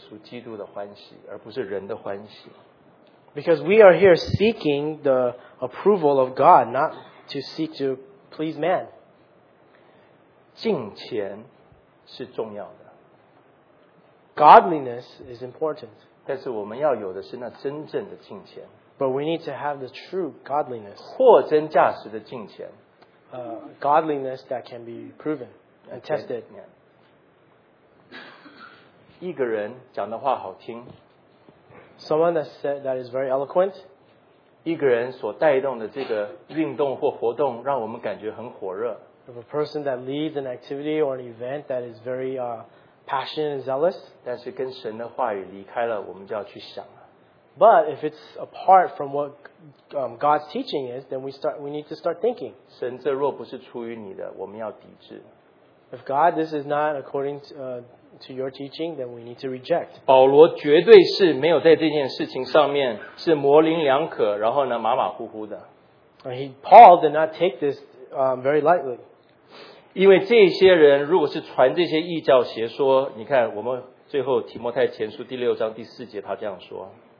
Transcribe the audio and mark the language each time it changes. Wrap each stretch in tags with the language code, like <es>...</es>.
<zh>因为我们要讨的是主耶稣基督的欢喜，而不是人的欢喜。</zh> <en>Because we are here seeking the approval of God, not to seek to please man.</en> <zh>敬虔是重要的。</zh> <en>Godliness is important.</en> <zh>但是我们要有的是那真正的敬虔。</zh> <en>But we need to have the true godliness.</en> <zh>货真价实的敬虔。</zh> <en>Godliness that can be proven. and tested.</en> <zh>一个人讲的话好听,</zh> <en>someone that said that is very eloquent.</en> <zh>一个人所带动的这个运动或活动让我们感觉很火热,</zh> <en>of a person that leads an activity or an event that is very passionate and zealous.</en> <zh>但是跟神的话语离开了,我们就要去想。</zh> <en>But if it's apart from what God's teaching is, then we need to start thinking.</en> <zh>神这若不是出于你的,</zh> <en>if God, this is not according to your teaching, then we need to reject.</en> <zh>保罗绝对是没有在这件事情上面,是模棱两可,</zh> <en>Paul did not take this very lightly.</en> <zh>因为这些人如果是传这些异教邪说, 你看我们最后提摩太前书第六章第四节他这样说,</zh>